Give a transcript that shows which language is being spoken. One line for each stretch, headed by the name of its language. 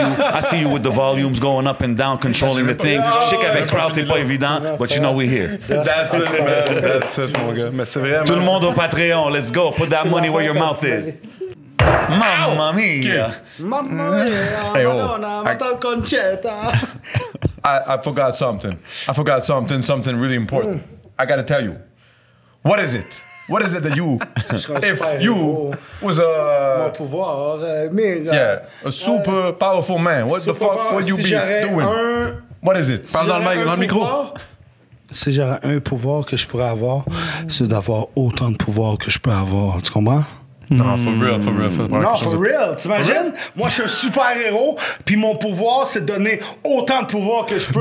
English: I see you with the volumes going up and down, controlling the thing.
French: Chic avec Crowd, c'est pas évident,
English: but you know we're here. That's it, man. That's it,
French: mon gars. Mais c'est vraiment... Tout le monde au Patreon,
English: let's go. Put that money where your mouth is.
Italian: Mamma mia. Mamma mia. Madonna, ma tal concetta.
English: I forgot something. I forgot something, something really important. I gotta tell you. What is it? What is it that you, if you was a...
French: Mon pouvoir, mais...
English: Yeah, a super powerful man. What the fuck would you
French: si
English: be doing? What is it?
French: Si parle dans le micro. Si j'aurais un pouvoir que je pourrais avoir, c'est d'avoir autant de pouvoir que je peux avoir. Tu comprends?
English: Non, for real.
French: T'imagines? Moi, je suis un super héros, puis mon pouvoir, c'est de donner autant de pouvoir que je peux.